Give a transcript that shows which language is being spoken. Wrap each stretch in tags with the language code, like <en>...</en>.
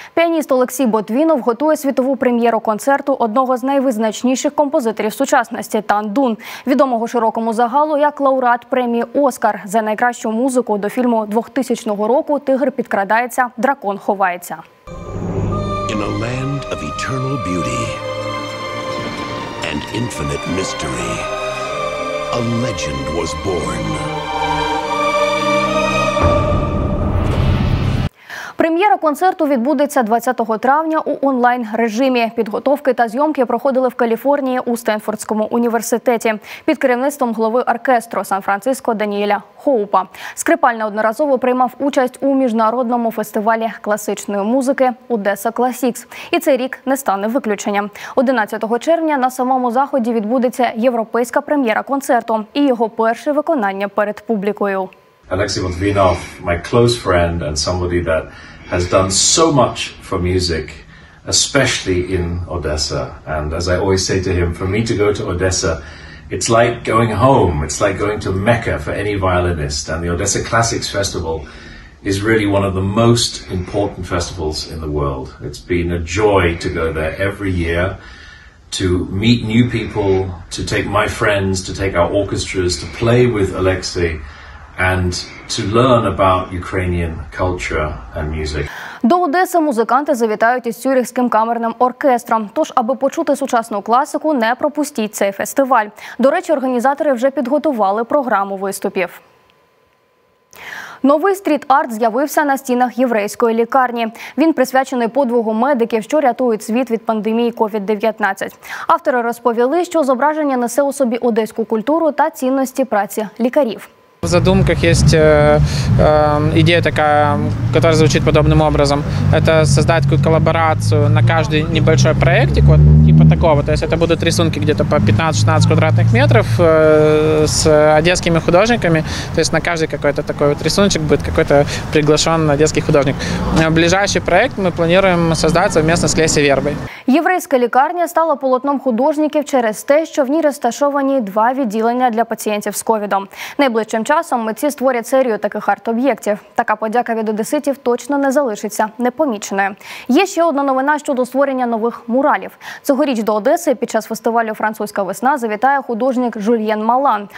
<uk>Піаніст Олексій Ботвінов готує світову прем'єру концерту одного з найвизначніших композиторів сучасності – Тан Дун, відомого широкому загалу як лауреат премії «Оскар» за найкращу музику до фільму 2000 року «Тигр підкрадається, дракон ховається».</uk> <en>In a land of eternal beauty and infinite mystery, a legend was born.</en> <uk>Прем'єра концерту відбудеться 20 травня у онлайн-режимі. Підготовки та зйомки проходили в Каліфорнії у Стенфордському університеті під керівництвом голови оркестру Сан-Франциско Даніеля Хоупа. Скрипаль одноразово приймав участь у міжнародному фестивалі класичної музики «Одеса Класікс». І цей рік не стане виключенням. 11 червня на самому заході відбудеться європейська прем'єра концерту і його перше виконання перед публікою.</uk> <en>Олексій Ботвінов, my close friend and somebody that has done so much for music, especially in Odessa. And as I always say to him, for me to go to Odessa, it's like going home. It's like going to Mecca for any violinist. And the Odessa Classics Festival is really one of the most important festivals in the world. It's been a joy to go there every year, to meet new people, to take my friends, to take our orchestras, to play with Олексій. And to learn about Ukrainian culture and music.</en> <uk>До Одеси музиканти завітають із Цюрихським камерним оркестром. Тож, аби почути сучасну класику, не пропустіть цей фестиваль. До речі, організатори вже підготували програму виступів. Новий стріт-арт з'явився на стінах єврейської лікарні. Він присвячений подвигу медиків, що рятують світ від пандемії COVID-19. Автори розповіли, що зображення несе у собі одеську культуру та цінності праці лікарів.</uk> <ru>В задумках есть идея такая, которая звучит подобным образом. Это создать такую коллаборацию на каждый небольшой проектик, вот типа такого. То есть это будут рисунки где-то по 15-16 квадратных метров с одесскими художниками. То есть на каждый какой-то такой вот рисуночек будет какой-то приглашен одесский художник. Ближайший проект мы планируем создать совместно с Лесей Вербой.</ru> <uk>Єврейська лікарня стала полотном художників через те, що в ній розташовані два відділення для пацієнтів з ковідом. Найближчим часом митці створять серію таких арт-об'єктів. Така подяка від одеситів точно не залишиться непоміченою. Є ще одна новина щодо створення нових муралів. Цьогоріч до Одеси під час фестивалю «Французька весна» завітає художник Жульєн Малан.</uk>